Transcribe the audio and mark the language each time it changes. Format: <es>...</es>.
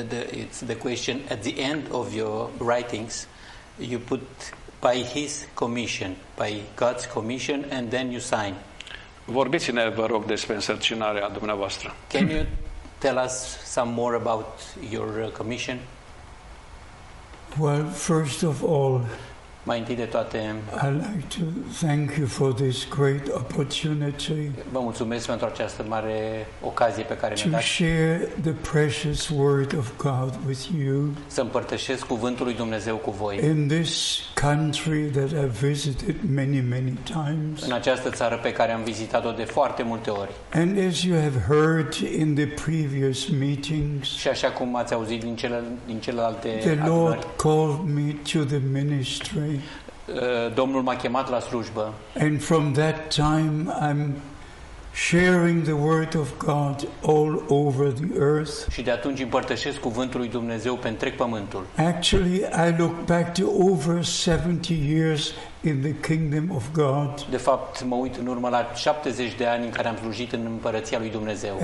<en>It's the question at the end of your writings you put by his commission, by God's commission, and then you sign.</en> <ro>Vorbiți-ne, vă rog, despre însărcinarea dumneavoastră.</ro> <en>Can you tell us some more about your commission? Well, first of all,</en> <ro>mai întâi de toate,</ro> <en>I'd like to thank you for this great opportunity.</en> <ro>Vă mulțumesc pentru această mare ocazie pe care mi-a dat.</ro> <en>To share the precious word of God with you.</en> <ro>Să împărtășesc cuvântul lui Dumnezeu cu voi.</ro> <en>In this country that I've visited many, many times.</en> <ro>În această țară pe care am vizitat-o de foarte multe ori.</ro> <en>And as you have heard in the previous meetings.</en> <ro>Și așa cum ați auzit din celelalte</ro> <en>the Lord called me to the ministry.</en> <ro>Domnul m-a chemat la slujbă.</ro> <en>And from that time I'm sharing the word of God all over the earth.</en> <ro>Și de atunci împărtășesc cuvântul lui Dumnezeu pe întreg pământul.</ro> <en>Actually, I look back to over 70 years in the kingdom of God.</en> <ro>De fapt, mă uit în urmă la 70 de ani în care am slujit în împărăția lui Dumnezeu.</ro>